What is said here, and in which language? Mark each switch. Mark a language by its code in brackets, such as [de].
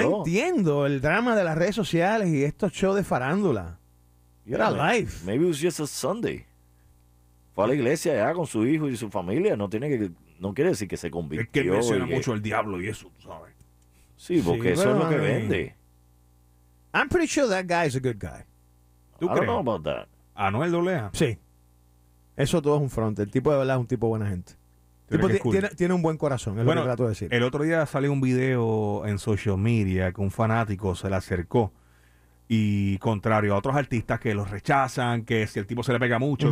[es] No entiendo el drama de las redes sociales y estos shows de farándula. [en] Yeah, era life. Maybe it was just a Sunday. [es] fue a la iglesia ya con su hijo y su familia. No tiene que, no quiere decir que se convirtió. Es que menciona mucho el diablo y eso, tú sabes. Sí, porque sí, eso es lo que vende. [en] I'm pretty sure that guy is a good guy. [es] ¿Tú crees? [en] I don't know about that. [es] ¿Anuel Dolea? Sí. Eso todo es un front. El tipo de verdad es un tipo de buena gente. Tipo, cool. tiene un buen corazón, es bueno, lo que trato de decir. El otro día salió un video en social media que un fanático se le acercó y contrario a otros artistas que los rechazan, que si el tipo se le pega mucho, uh-huh.